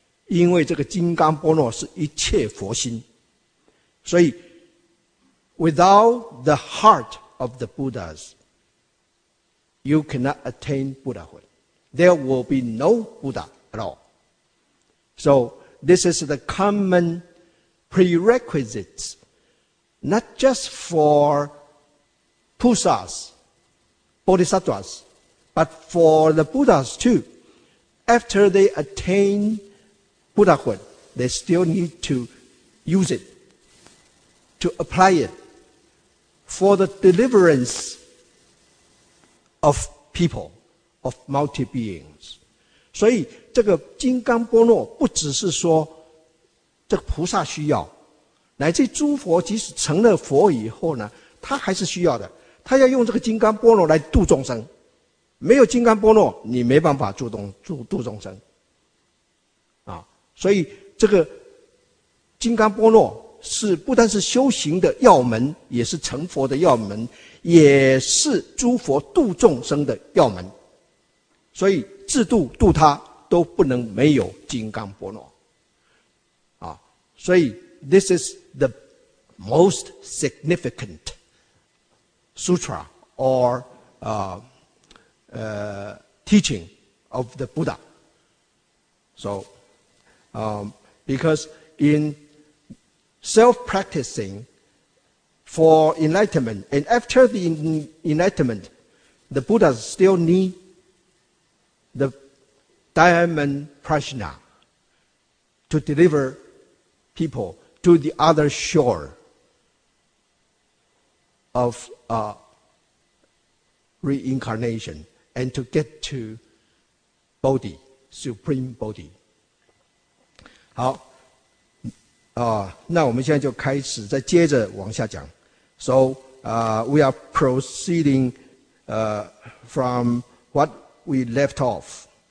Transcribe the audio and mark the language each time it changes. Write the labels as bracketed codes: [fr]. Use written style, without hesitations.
[zh] 因为这个金刚波若是一切佛心。所以 [en] without the heart of the Buddhas, you cannot attain Buddhahood. There will be no Buddha at all. So this is the common prerequisites, not just for Pusas, Bodhisattvas, but for the Buddhas too. After they attain Buddhahood, they still need to use it, to apply it for the deliverance of people, of multi-beings. [zh] 所以这个金刚波若不只是说这个菩萨需要，乃至诸佛即使成了佛以后呢，他还是需要的，他要用这个金刚波若来度众生。没有金刚波若，你没办法度众生啊。所以这个金刚波若是不但是修行的要门，也是成佛的要门，也是诸佛度众生的要门。所以自度度他都不能没有金刚波若啊。所以 [en] this is the most significant sutra or teaching of the Buddha. So, because in self-practicing for enlightenment, and after the enlightenment, the Buddha still need the diamond prajna to deliver people to the other shore of reincarnation, and to get to Bodhi, Supreme Bodhi. [zh] 好，那我们现在就开始再接着往下讲。 [en] So, we are proceeding, from what we left off.